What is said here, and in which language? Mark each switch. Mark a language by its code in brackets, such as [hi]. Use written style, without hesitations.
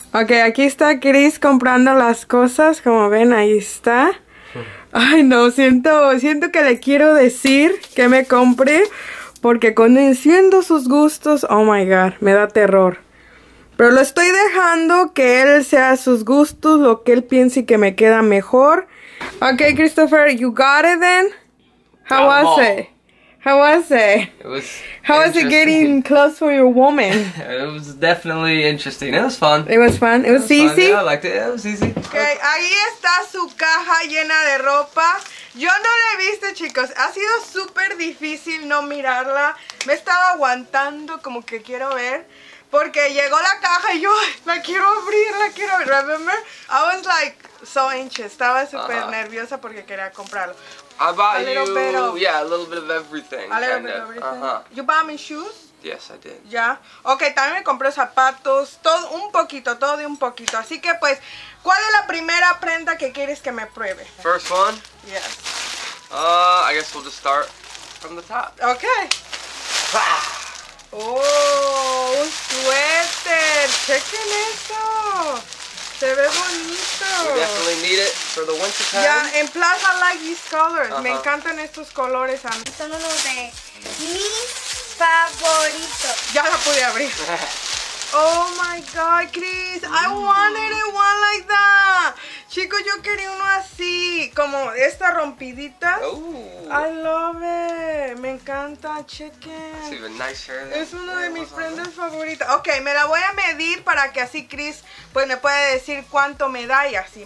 [es] Ok, aquí está Chris comprando las cosas, como ven, ahí está. Ay, no, siento que le quiero decir que me compre, porque conociendo sus gustos, [en] oh my god, [es] me da terror. Pero lo estoy dejando que él sea sus gustos, lo que él piense que me queda mejor. [en] Ok, Christopher, you got it then? How was it? How was it? How was it getting clothes for your woman? It was definitely interesting. It was fun. It was fun. It was easy. Yeah, I liked it. Yeah, it was easy. [es] Okay, ahí está su caja llena de ropa. Yo no la he visto, chicos. Ha sido súper difícil no mirarla. Me estaba aguantando como que quiero ver. Porque llegó la caja y yo la quiero abrir. [en] Remember? I was like so anxious. [es] Estaba súper nerviosa porque quería comprarlo. [en] I bought you, a little bit of everything. A little bit of everything. You bought me shoes? Yes, I did. Yeah. [es] Okay, también me compré zapatos, todo un poquito, todo de un poquito. Así que pues, ¿cuál es la primera prenda que quieres que me pruebe? [en] First one? Yes. I guess we'll just start from the top. [es] Okay. Oh, un suéter. Chequen eso. Se ve bonito. [en] We definitely need it for the winter time. Yeah, and plus I like these colors. [es] Uh-huh. Me encantan estos colores a mí. Son uno de mis favoritos. Ya la pude abrir. [en] Oh my god, [es] Chris. [en] I wanted it one like that. [es] Chicos, yo quería uno así, como esta rompidita. Ooh. [en] I love it. [es] Me encanta. Chequen. [en] It's even nicer. [es] Es uno de mis prendas favoritas. Ok, me la voy a medir para que así Chris pues me pueda decir cuánto me da y así.